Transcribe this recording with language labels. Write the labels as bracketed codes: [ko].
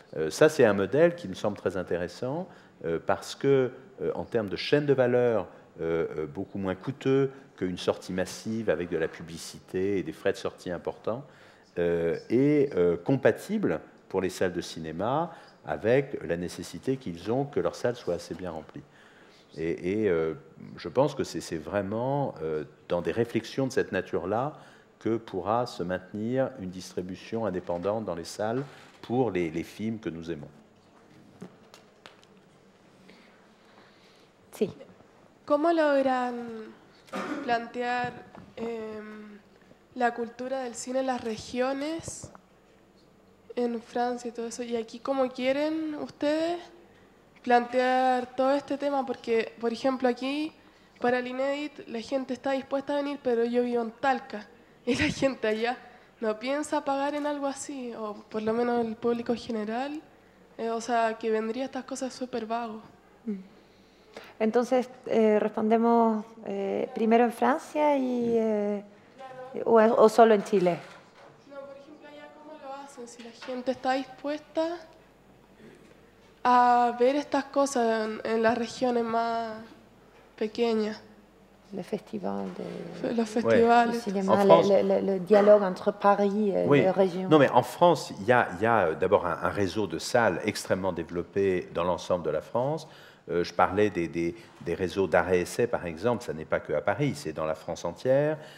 [fr] Ça, c'est un modèle qui me semble très intéressant, parce que, en termes de chaîne de valeur, beaucoup moins coûteux qu'une sortie massive avec de la publicité et des frais de sortie importants, et compatible pour les salles de cinéma avec la nécessité qu'ils ont que leurs salles soient assez bien remplies. Je pense que c'est vraiment dans des réflexions de cette nature-là que pourra se maintenir une distribution indépendante dans les salles pour les films que nous aimons. [es] Sí. ¿Cómo logran plantear la cultura del cine en las regiones en Francia y todo eso? Y aquí, ¿cómo quieren ustedes plantear todo este tema? Porque, por ejemplo, aquí para el Inédit la gente está dispuesta a venir, pero yo vivo en Talca y la gente allá no piensa pagar en algo así, o por lo menos el público general, o sea, que vendría estas cosas súper vagos. Entonces, respondemos primero en Francia y o solo en Chile. No, por ejemplo, allá cómo lo hacen, si la gente está dispuesta a ver estas cosas en las regiones más pequeñas. [fr] le festival de, le festival, du cinéma, en France, le dialogue entre Paris et oui. les régions. Non, mais en France, il y a d'abord un réseau de salles extrêmement développé dans l'ensemble de la France. Je parlais des réseaux d'arrêt-essai, par exemple. Ça n'est pas que à Paris, c'est dans la France entière.